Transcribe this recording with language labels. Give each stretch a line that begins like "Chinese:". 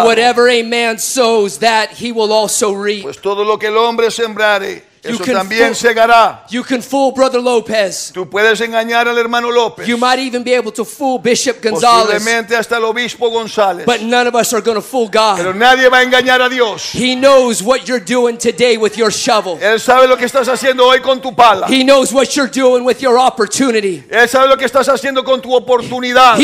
English: For whatever a man sows, that he will also reap.
Spanish: Pues todo lo que el hombre sembrare, eso también segará.
English: You can fool Brother Lopez.
Spanish: Tú puedes engañar al hermano López.
English: You might even be able to fool Bishop Gonzalez.
Spanish: Posiblemente hasta el obispo González.
English: But none of us are going to fool God.
Spanish: Pero nadie va a engañar a Dios.
English: He knows what you're doing today with your shovel.
Spanish: Él sabe lo que estás haciendo hoy con tu pala.
English: He knows what you're doing with your opportunity.
Spanish: Él sabe lo que estás haciendo con tu oportunidad.